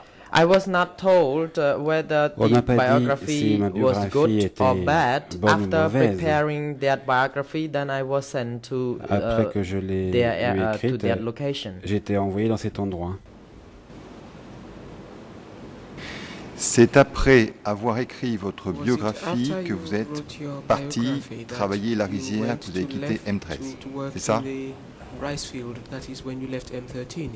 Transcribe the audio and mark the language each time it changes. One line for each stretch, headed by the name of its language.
English: I was not told whether the biography was good or bad. After preparing that biography, then I was sent to that location.
French: J'étais envoyé dans cet endroit. C'est après avoir écrit votre biographie que vous êtes parti travailler la rizière, que vous avez quitté M13. C'est ça?
English: Rice field, that is when you left M13.